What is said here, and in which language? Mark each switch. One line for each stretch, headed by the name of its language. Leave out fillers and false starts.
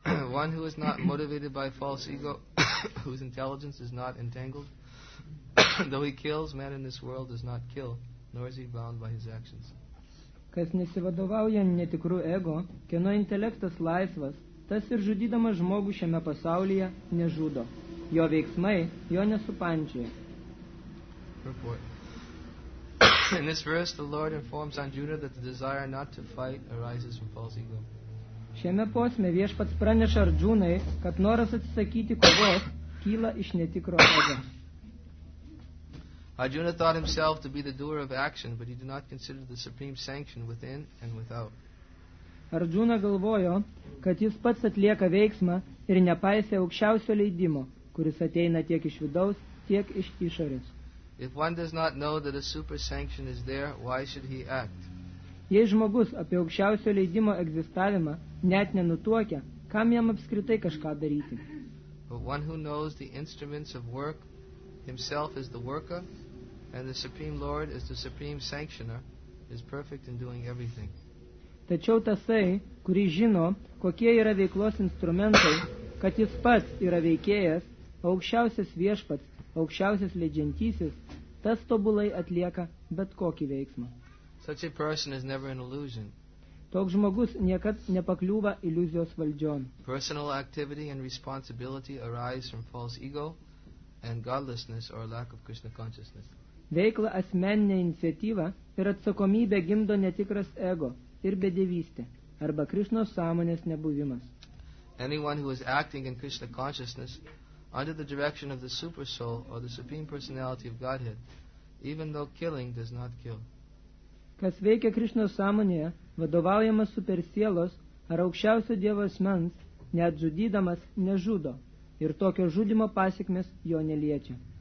English: one who is not motivated by false ego, whose intelligence is not entangled, though he kills, man in this world does not kill, nor is he bound by his actions.
Lithuanian: Kas nesivadovauja netikrų ego, kieno intelektas laisvas, tas ir žudydamas žmogų šiame pasaulyje nežudo. Jo veiksmai jo nesupančia.
English: In this verse, the Lord informs Arjuna that the desire not to fight arises from false ego.
Lithuanian: Šiame posme viešpats praneša Arjunai, kad noras atsisakyti kovos kyla iš netikro ego.
English: Arjuna thought himself to be the doer of action, but he did not consider the supreme sanction within and without.
Lithuanian: Arjuna galvojo, kad jis pats atlieka veiksmą ir nepaisė aukščiausio leidimo, kuris ateina tiek iš vidaus, tiek iš išorės.
English: If one does not know that a super sanction is there, why should he act?
Lithuanian: Jei žmogus apie aukščiausio leidimo egzistavimą net nenutuokia, kam jam apskritai kažką daryti?
English: But one who knows the instruments of work, himself is the worker, and the Supreme Lord is the Supreme Sanctioner, is perfect in doing everything.
Lithuanian: Tačiau tasai, kuris žino, kokie yra veiklos instrumentai, kad jis pats yra veikėjas, aukščiausias viešpats, aukščiausias leidžiantysis, tas tobulai atlieka bet kokį veiksmą.
English: Such a person is never an illusion.
Lithuanian: Toks žmogus niekad nepakliūva iliuzijos valdžion.
English: Personal activity and responsibility arise from false ego and godlessness or lack of Krishna consciousness.
Lithuanian: Veikla asmeninė iniciatyva ir atsakomybė gimdo netikras ego ir bedevystė arba Krishnos sąmonės nebuvimas.
English: Anyone who is acting in Krishna consciousness under the direction of the super soul or the supreme personality of Godhead, even though killing does not kill.
Lithuanian: Kas veikia Krishnos sąmonėje, vadovaujamas supersielos ar aukščiausio dievo asmens, net žudydamas nežudo. Ir tokio žudimo pasekmės jo neliečia.